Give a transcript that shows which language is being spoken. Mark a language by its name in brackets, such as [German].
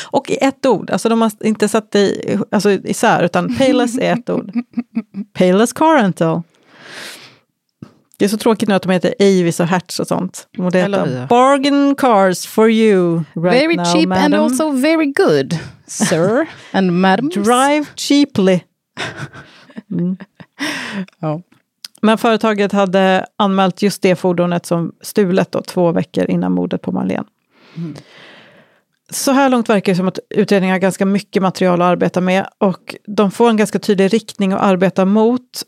[Swedish] Och i ett ord, alltså de har inte satt i, alltså isär, utan pay less är ett ord. Pay less car rental. Det är så tråkigt nu att de heter Avis och Hertz och sånt. Modeller. [English] Bargain cars for you right very now, cheap madam. And also very good, sir and madam. Drive cheaply. Mm. Oh. [Swedish] Men företaget hade anmält just det fordonet som stulet då, 2 veckor innan mordet på Marlene. Mm. Så här långt verkar det som att utredningen har ganska mycket material att arbeta med. Och de får en ganska tydlig riktning att arbeta mot.